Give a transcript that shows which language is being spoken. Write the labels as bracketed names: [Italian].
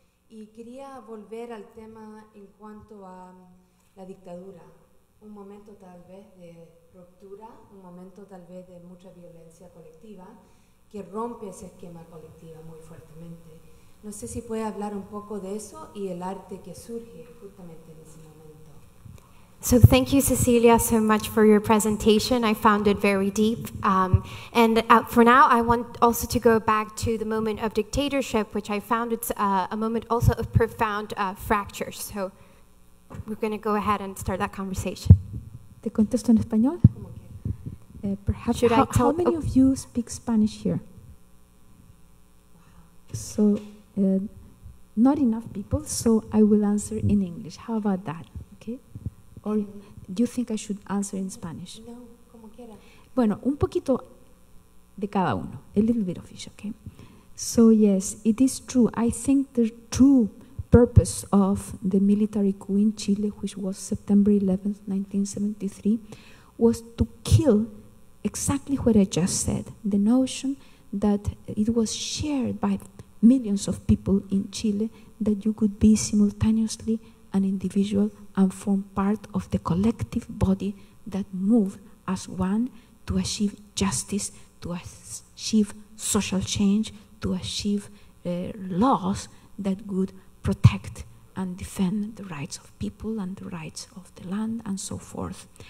[Spanish] Y quería volver al tema en cuanto a la dictadura. Un momento tal vez de ruptura, un momento tal vez de mucha violencia colectiva que rompe ese esquema colectivo muy fuertemente. No sé si puede hablar un poco de eso y el arte que surge justamente en ese momento. [English] So thank you, Cecilia, so much for your presentation. I found it very deep. For now, I want also to go back to the moment of dictatorship, which I found it's a moment also of profound fracture. So we're going to go ahead and start that conversation. [Spanish] ¿Te contesto en español? [English] Perhaps. How many of you speak Spanish here? So not enough people, so I will answer in English. How about that? Or do you think I should answer in Spanish? [Spanish] No, como quiera. Bueno, un poquito de cada uno. [English] A little bit of each, okay? So yes, it is true. I think the true purpose of the military coup in Chile, which was September 11th, 1973, was to kill exactly what I just said. The notion that it was shared by millions of people in Chile that you could be simultaneously an individual and form part of the collective body that move as one to achieve justice, to achieve social change, to achieve laws that would protect and defend the rights of people and the rights of the land and so forth.